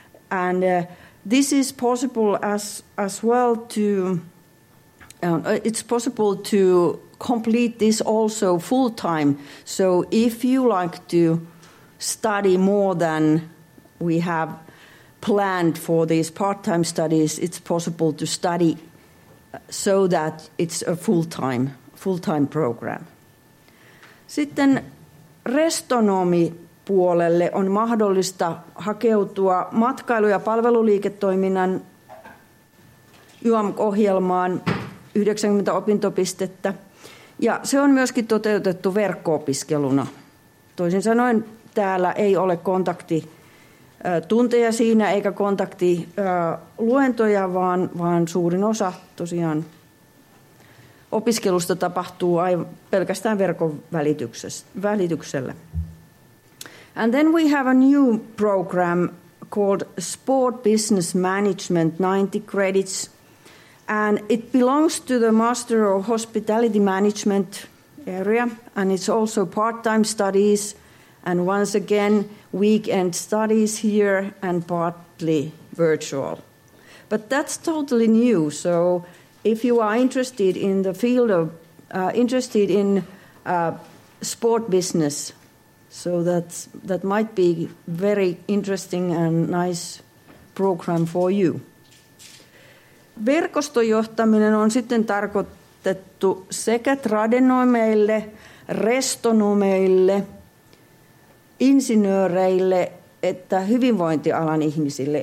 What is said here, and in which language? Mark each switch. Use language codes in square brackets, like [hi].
[en] And this is possible it's possible to complete this also full time. So if you like to study more than we have planned for these part-time studies, it's possible to study so that it's a full-time program. [fi] Sitten restonomipuolelle on mahdollista hakeutua matkailu- ja palveluliiketoiminnan YAMK-ohjelmaan 90 opintopistettä. Ja se on myöskin toteutettu verkko-opiskeluna. Toisin sanoen täällä ei ole kontaktitunteja siinä eikä kontaktiluentoja, vaan suurin osa tosiaan opiskelusta tapahtuu pelkästään verkon välityksellä. [en] And then we have a new program called Sport Business Management 90 credits, and it belongs to the Master of Hospitality Management area, and it's also part-time studies, and once again, weekend studies here, and partly virtual. But that's totally new, so if you are interested in the field of, sport business, so that might be very interesting and nice program for you. [fi] Verkostojohtaminen on sitten tarkoitettu sekä tradenomeille, restonomeille, insinööreille että hyvinvointialan ihmisille.